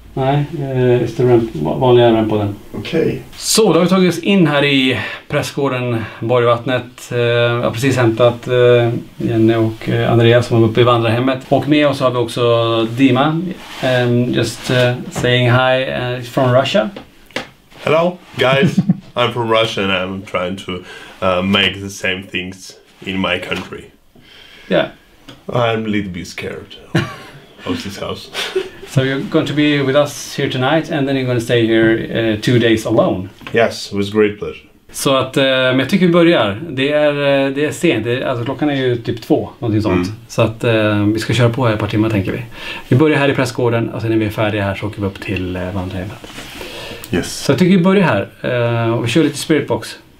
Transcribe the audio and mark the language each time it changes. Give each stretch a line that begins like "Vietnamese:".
Swedish: Nej, det är vanliga REM-podden. Okej.
English: Okay.
Swedish: Så, då har vi tagit oss in här i pressgården Borgvattnet. Jag har precis hämtat Jenny och Andrea som var uppe i vandrarhemmet. Och med oss har vi också Dima.
English: Just saying hi from Russia. Hello guys, I'm from Russia and I'm trying to make the same things in my country. Yeah. I'm a little bit scared. Host this house. So you're going to be with us here tonight and then you're going to stay here 2 days alone. Yes, it was great pleasure.
Swedish: Så att, men jag tycker vi börjar. Det är sent, alltså klockan är ju typ 2, någonting sånt. Så att vi ska köra på här ett par timmar, tänker vi. Vi börjar här i pressgården och sen när vi är färdiga här så åker vi upp till vandrarhemmet.
English: Yes.
Swedish: Så jag tycker vi börjar här och vi kör lite spiritbox.